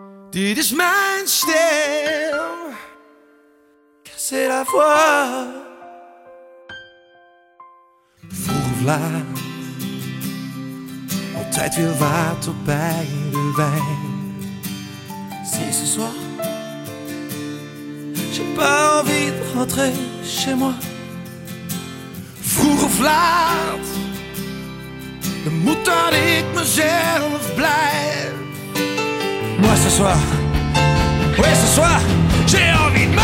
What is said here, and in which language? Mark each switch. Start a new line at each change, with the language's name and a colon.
Dutch: Dit is mijn stem.
French: C'est la voix.
Dutch: Vroeg of laat, altijd weer water bij de wijn.
French: Si ce soir, j'ai pas envie de rentrer chez moi.
Dutch: Vroeg of laat, dan moet dat ik mezelf blijf.
French: Moi ce soir. Oui, ce soir, j'ai envie.